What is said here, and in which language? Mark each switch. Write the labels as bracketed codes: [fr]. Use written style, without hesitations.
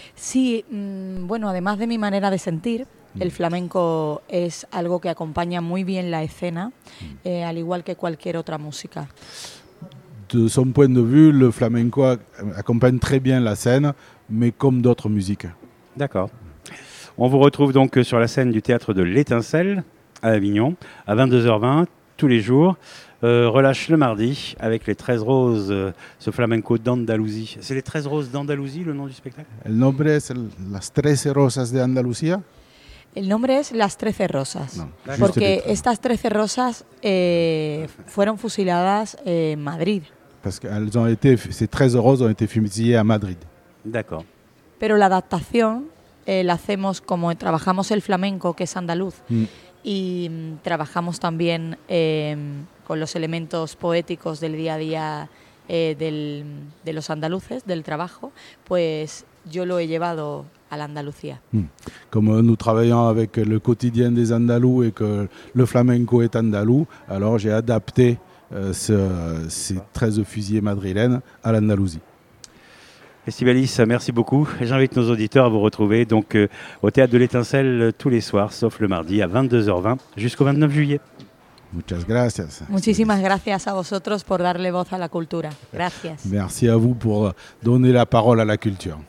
[es] Sí, bueno, además de mi manera de sentir, el flamenco es algo que acompaña muy bien la escena, al igual que cualquier otra música. [fr] De son point de vue, le flamenco accompagne très bien la scène, mais comme d'autres musiques. D'accord. On vous retrouve donc sur la scène du théâtre de l'Étincelle à Avignon à 22h20 tous les jours. Relâche le mardi avec les 13 roses, ce flamenco d'Andalousie. C'est les 13 roses d'Andalousie le nom du spectacle ? [es] El nombre es las 13 rosas de Andalucía. El nombre es las 13 rosas. No, porque estas 13 rosas fueron fusiladas en Madrid. [fr] Parce que elles ont été, ces 13 roses ont été fusillées à Madrid. D'accord. [es] Pero la adaptación la hacemos como trabajamos el flamenco, que es andaluz, y trabajamos también con los elementos poéticos del día a día de los andaluces, del trabajo, pues yo lo he llevado a la Andalucía. Como [fr] nous travaillons avec le quotidien des Andalous et que le flamenco est andalou, alors j'ai adapté ces 13 fusillés madrilènes à l'Andalousie. Estibaliz, merci beaucoup. J'invite nos auditeurs à vous retrouver donc au théâtre de l'Étincelle tous les soirs, sauf le mardi à 22h20 jusqu'au 29 juillet. [es] Muchas gracias. Muchísimas gracias a vosotros por darle voz a la cultura. Gracias. [fr] Merci à vous pour donner la parole à la culture.